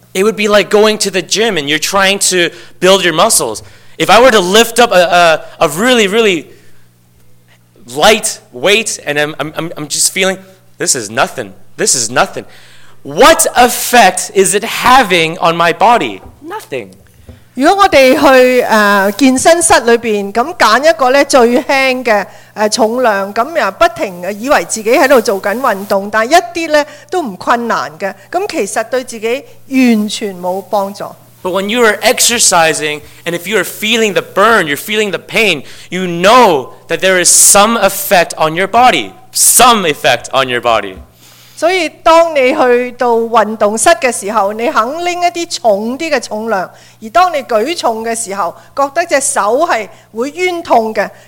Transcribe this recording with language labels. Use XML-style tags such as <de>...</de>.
<en>It would be like going to the gym and you're trying to build your muscles. If I were to lift up a really, really light weight and I'm just feeling, this is nothing, this is nothing. What effect is it having on my body? Nothing.</en> <yue>如果我們去健身室裡面，那選一個最輕的重量，那又不停以為自己在做運動，但一點都不困難的，那其實對自己完全沒有幫助。</yue> <en>But when you are exercising, and if you are feeling the burn, you're feeling the pain, you know that there is some effect on your body. Some effect on your body. So when you go to the gym, you can lift some heavier weights. And when you lift some heavy weights, you feel your hand is painful.</en>